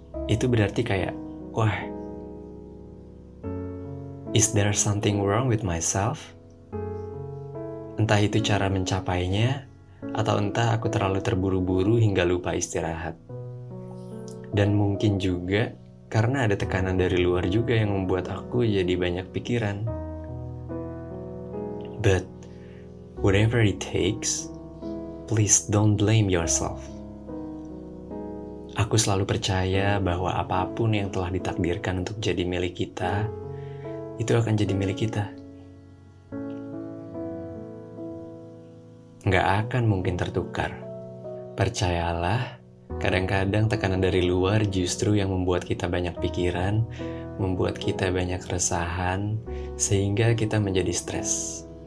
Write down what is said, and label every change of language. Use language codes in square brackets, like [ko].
[id] Itu berarti kayak, wah, [en] is there something wrong with myself? [id] Entah itu cara mencapainya, atau entah aku terlalu terburu-buru hingga lupa istirahat. Dan mungkin juga karena ada tekanan dari luar juga yang membuat aku jadi banyak pikiran. [en] But whatever it takes, please don't blame yourself. [id] Aku selalu percaya bahwa apapun yang telah ditakdirkan untuk jadi milik kita, itu akan jadi milik kita. Nggak akan mungkin tertukar. Percayalah, kadang-kadang tekanan dari luar justru yang membuat kita banyak pikiran, membuat kita banyak keresahan, sehingga kita menjadi stres.